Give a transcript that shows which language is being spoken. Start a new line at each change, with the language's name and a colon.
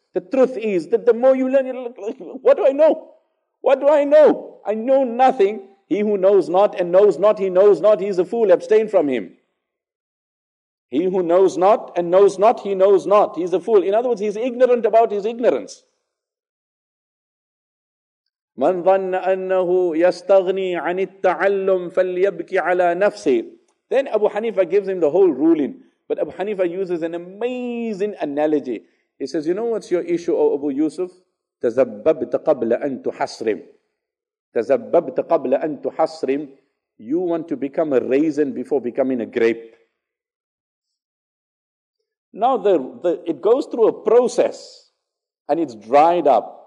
English: The truth is that the more you learn, what do I know? I know nothing. He who knows not and knows not, he knows not, he's a fool. Abstain from him. He who knows not and knows not, he knows not, he's a fool. In other words, he's ignorant about his ignorance.
Arabic: مَنْ ظَنَّ أَنَّهُ يَسْتَغْنِي عَنِ التَّعَلُّمِ فَلْيَبْكِ عَلَى نَفْسِهِ
English: Then Abu Hanifa gives him the whole ruling. But Abu Hanifa uses an amazing analogy. He says, you know what's your issue, O Abu Yusuf?
Arabic: تَزَبَّبْتَ قَبْلَ أَن تُحَصْرِمْ تَزَبَّبْتَ قَبْلَ أَن تُحَصْرِمْ
English: you want to become a raisin before becoming a grape. Now the it goes through a process and it's dried up.